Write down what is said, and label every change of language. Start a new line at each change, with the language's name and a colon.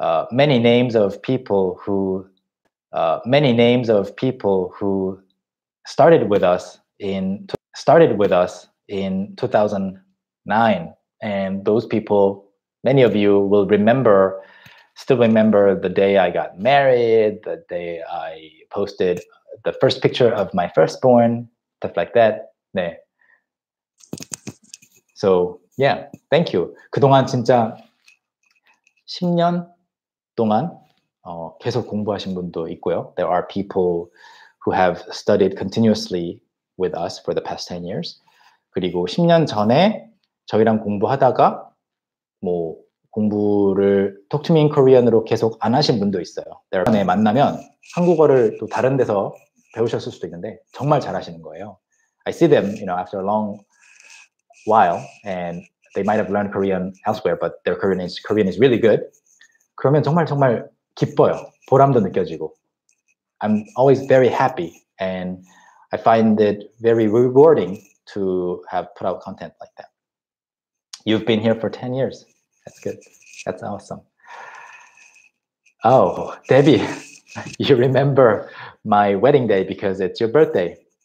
English: Many names of people who started with us in 2009, and those people, many of you will still remember the day I got married, the day I posted the first picture of my firstborn, stuff like that.
Korean: 네.
English: So yeah, thank you.
Korean: 그동안 진짜 10년 동안 계속 공부하신 분도 있고요.
English: There are people who have studied continuously with us for the past 10 years.
Korean: 그리고 10년 전에 저희랑 공부하다가 뭐 공부를 Talk to Me in Korean으로 계속 안 하신 분도 있어요. 이번에 만나면 한국어를 또 다른 데서 배우셨을 수도 있는데 정말 잘하시는 거예요.
English: I see them, you know, after a long while, and they might have learned Korean elsewhere, but their Korean is really good.
Korean: 그러면 정말 정말 기뻐요. 보람도 느껴지고.
English: I'm always very happy and I find it very rewarding to have put out content like that. You've been here for 10 years. That's good. That's awesome. Oh, 데비. You remember my wedding day because it's your birthday.